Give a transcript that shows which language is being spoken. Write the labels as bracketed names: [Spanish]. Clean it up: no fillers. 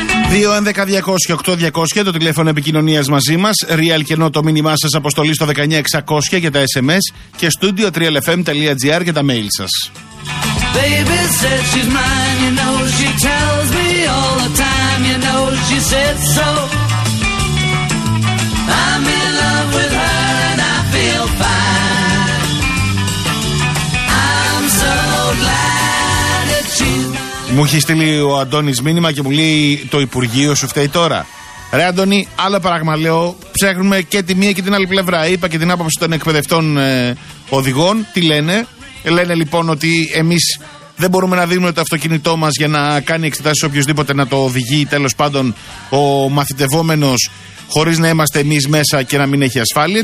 [Greek] Δύο 11-200-8-200 το τηλέφωνο επικοινωνίας μαζί μας. Real και το μήνυμά σας αποστολή στο 19600 για τα SMS και studio 3LFM.gr για τα mail σας. [English] Baby said she's mine, you know she tells me all the time, you know she said so. I'm in love with her and I feel fine. I'm so glad that she's mine. [Greek] Μου έχει στείλει ο Αντώνης μήνυμα και μου λέει το Υπουργείο σου φταίει τώρα. Ρε Αντώνη, άλλο πράγμα λέω, ψάχνουμε και τη μία και την άλλη πλευρά. Είπα και την άποψη των εκπαιδευτών οδηγών, τι λένε. Λένε λοιπόν ότι εμείς δεν μπορούμε να δίνουμε το αυτοκίνητό μας για να κάνει εξετάσεις οποιοδήποτε να το οδηγεί τέλος πάντων ο μαθητευόμενος χωρίς να είμαστε εμείς μέσα και να μην έχει ασφάλεια.